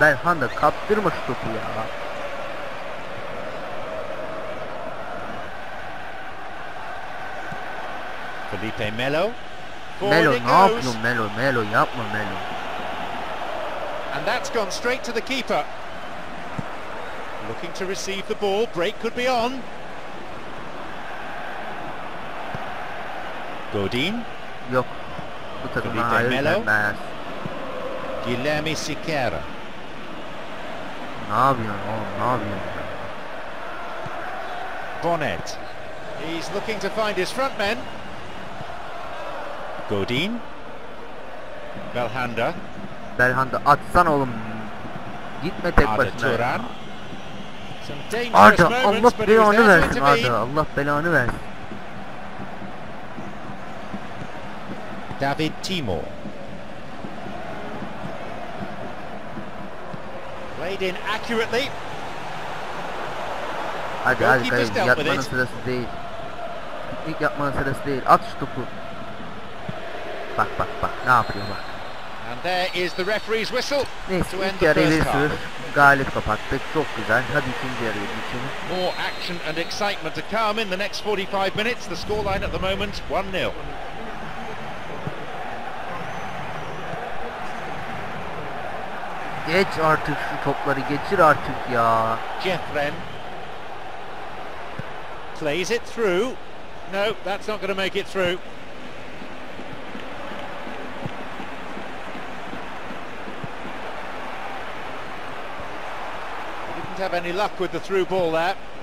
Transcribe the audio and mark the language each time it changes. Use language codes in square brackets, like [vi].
[tr] Belhanda kaptırma şu topu ya. Felipe Melo. Melo ne yapıyorsun Melo? Melo yapma Melo. [en] And that's gone straight to the keeper. Looking to receive the ball, break could be on. Godin. [tr] Yok. Bu takım hayır denmez. Guilherme Siqueira. Ne yapıyorsun oğlum, ne yapıyorsun? Bonnet. [en] He's looking to find his front men. Godin. Belhanda. [tr] Belhanda atsan oğlum. Gitme tek Arda başına. Arda Turan. Arda Allah belanı versin Arda Allah belanı versin. David Timo. [en] Played in accurately. [tr] Hadi hadi kayın yatmanın sırası değil. İlk yatmanın sırası değil. At şu topu. Bak bak bak ne yapıyor bak. [en] And there is the referee's whistle. [tr] Neyse, [en] to end the first half. [tr] Galip kapattık. Çok güzel. Hadi ikinci yarıya geçelim. [en] More action and excitement to come in the next 45 minutes. The scoreline at the moment 1-0. [tr] Geç artık şu topları geçir artık ya. [en] Jeffren plays it through. No, that's not going to make it through. Have any luck with the through ball there?